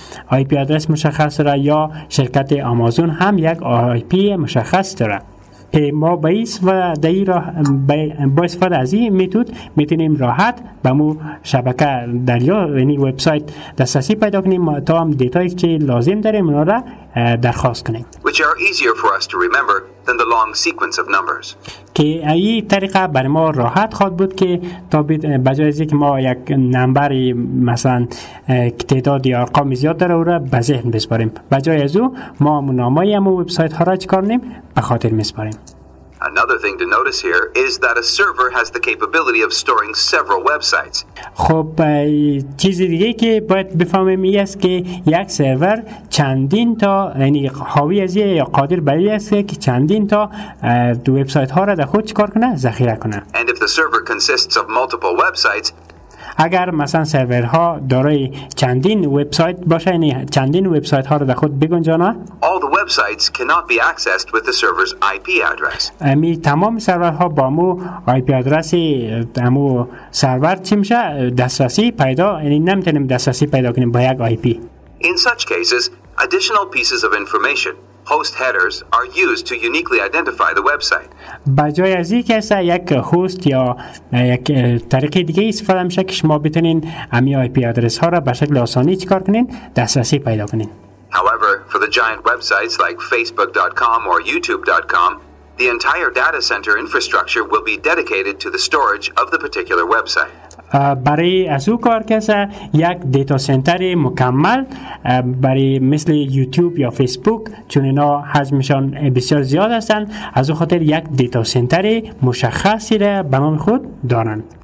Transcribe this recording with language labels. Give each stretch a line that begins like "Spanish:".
Persian: IP آدرس مشخص داره یا شرکت آمازون هم یک IP مشخص داره که ما با استفاده از این میتود میتونیم راحت به مو شبکه در یا یعنی وبسایت دسترسی پیدا کنیم تا هم دیتایی که لازم داریم اونا را درخواست کنیم
English: which are easier for us to remember than the long sequence of numbers.
Persian: که این طریقه بر ما راحت خواهد بود که تا بجای از اینکه ما یک نمبر مثلا تعداد یا ارقام زیاد داره او را به ذهن بسپاریم بجای از او ما نامه ای و وبسایت ها را چیکار کنیم به خاطر میسپاریم.
English: Another thing to notice here is that a server has the capability of storing several websites.
Persian: خب چیزی دیگه که باید بفهمیم این است که یک سرور چندین تا یعنی حاوی از یا قادر به این است که چندین تا دو وبسایت ها را در خود چیکار کنه ذخیره کنه.
English: And if the server consists of multiple websites,
Persian: اگر مثلا سرورها دارای چندین وبسایت باشه یعنی چندین وبسایت ها رو در خود بگنجانه
English: all the websites cannot be accessed with the server's IP address.
Persian: امی تمام سرورها با مو IP آدرس امو سرور چی میشه دسترسی پیدا یعنی نمیتونیم دسترسی پیدا کنیم با یک IP.
English: In such cases, additional pieces of information host headers are used to uniquely identify the website.
Persian: بجای از این که یک هوست یا یک طریق دیگه استفاده میشه که شما بتونین امی آی پی آدرس ها را به شکل آسانی چیکار کنین دسترسی پیدا کنین.
English: However, for the giant websites like facebook.com or youtube.com, the entire data center infrastructure will be dedicated to the storage of the particular website.
Persian: برای از او کار کسه یک دیتا سنتر مکمل برای مثل یوتیوب یا فیسبوک چون اینا حجمشان بسیار زیاد هستند از او خاطر یک دیتا سنتر مشخصی را به نام خود دارن.